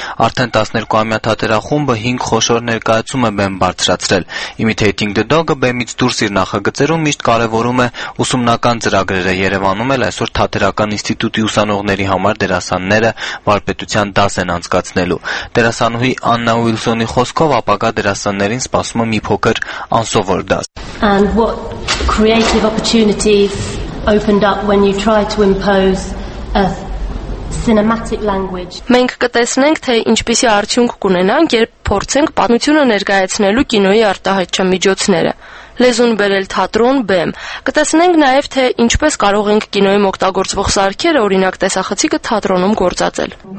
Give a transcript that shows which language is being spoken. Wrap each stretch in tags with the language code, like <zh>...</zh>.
<hy>Արդեն 12-ամյա թատերախումբը 5 խոշոր ներկայացում է բեմ բարձրացրել։ Imitating the Dog-ը բեմից դուրս իր նախագծերում միշտ կարևորում է ուսումնական ծրագրերը։ Երևանում էլ այսօր թատերական ինստիտուտի ուսանողների համար դերասանները վարպետության դաս են անցկացնելու։ Դերասանուհի Աննա Ուիլսոնի խոսքով ապագա դերասաններին սպասում է մի փոքր</hy> <en>And what creative opportunities opened up when you tried to impose a cinematic language?</en> <hy>Մենք կտեսնենք, թե ինչպիսի արդյունք կունենան, երբ փորձենք պատմությունը ներկայացնելու կինոյի արտահայտչի միջոցները. Լեզուն բերել թատրոն բեմ։ Կտեսնենք նաև, թե ինչպես կարող ենք կինոյում օգտագործվող սարքերը, օրինակ տեսախցիկը, թատրոնում գործածել.</hy>